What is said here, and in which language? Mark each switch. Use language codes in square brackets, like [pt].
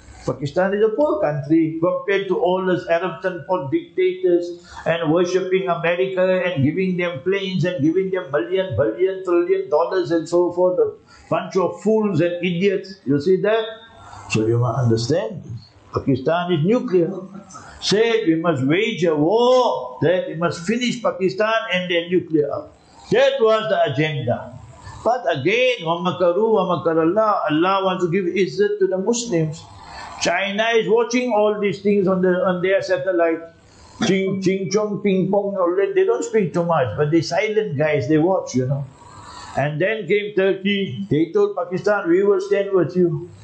[en] Pakistan is a poor country compared to all those Arab tenfold dictators and worshipping America and giving them planes and giving them trillion dollars and so forth. A bunch of fools and idiots. You see that? So you must understand. Pakistan is nuclear. Said we must wage a war, that we must finish Pakistan and their nuclear. That was the agenda. But again, [ar] وَمَكَرُوا وَمَكَرَ اللَّهُ. [en] Allah wants to give izzat to the Muslims. China is watching all these things on the on their satellite. Ching, ching, chong, ping, pong, all that. They don't speak too much, but they're silent guys. They watch, you know. And then came Turkey. They told Pakistan, we will stand with you.